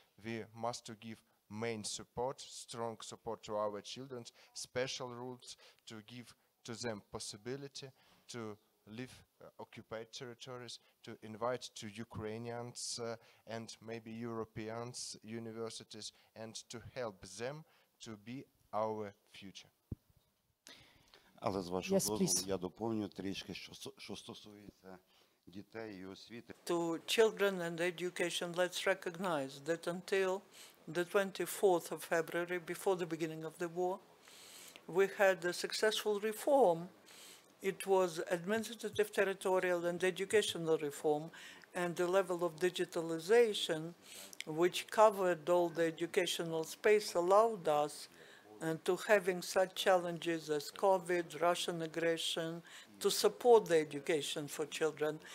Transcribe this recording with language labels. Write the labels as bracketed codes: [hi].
[en] We must to give main support, strong support to our children, special rules to give to them possibility to leave occupied territories, to invite to Ukrainians and maybe Europeans universities, and to help them to be our future. [uk] Але з вашого дозволу я доповню трішки, що стосується дітей і освіти. [en] To children and education, let's recognize that until the 24th of February, before the beginning of the war, we had a successful reform. It was administrative, territorial and educational reform, and the level of digitalization, which covered all the educational space, allowed us to having such challenges as COVID, Russian aggression, to support the education for children.